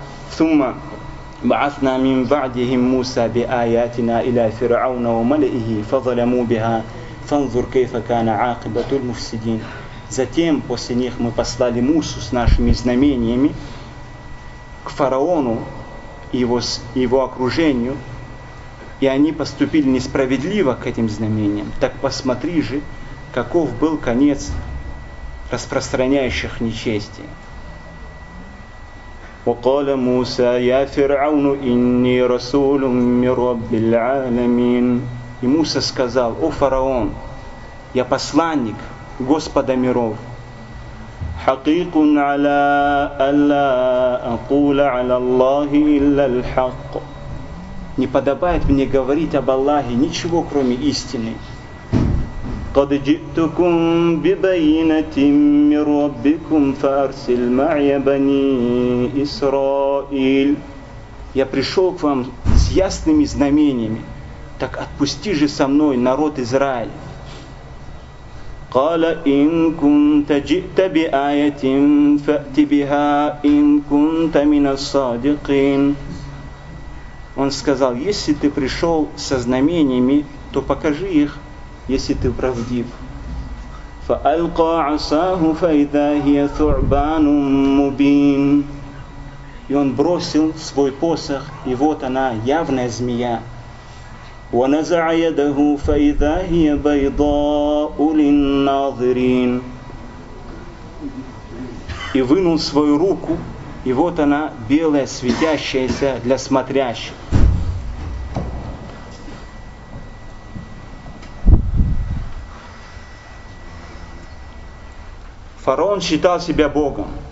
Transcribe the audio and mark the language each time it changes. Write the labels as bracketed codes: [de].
[ar] ثم بعثنا من بعدهم موسى بآياتنا إلى فرعون وملئه فظلموا بها فانظر كيف كان عاقبة المفسدين. [ru] Затем после них мы послали Мусу с нашими знамениями к фараону и его окружению, и они поступили несправедливо к этим знамениям. Так посмотри же, каков был конец распространяющих нечестие. [ar] وقال موسى يا فرعون إني رسول من رب العالمين. [ru] И Муса сказал: «О фараон, я посланник Господа миров». [ar] حقيق على ألا أقول على الله إلا الحق. [ru] Не подобает мне говорить об Аллахе ничего кроме истины. [ar] قَدْ جِئْتُكُمْ بِبَيِّنَةٍ مِّنْ رَبِّكُمْ فَأَرْسِلْ مَعْيَ بَنِي إِسْرَائِيلَ. [ru] Я пришел к вам с ясными знамениями, так отпусти же со мной народ Израиля. [ar] قَالَ إِن كُنْتَ جِئْتَ بِآيَةٍ فَأْتِ بِهَا إِن كُنْتَ مِنَ الصَّادِقِينَ. [ru] Он сказал: если ты пришел со знамениями, то покажи их, если ты правдив. [ar] فألقى عصاه فإذا هي ثعبان مبين. [ru] И он бросил свой посох, и вот она, явная змея. [ar] ونزع يده فإذا هي بيضاء للناظرين. [ru] И вынул свою руку, и вот она, белая, светящаяся для смотрящих. Фараон считал себя Богом.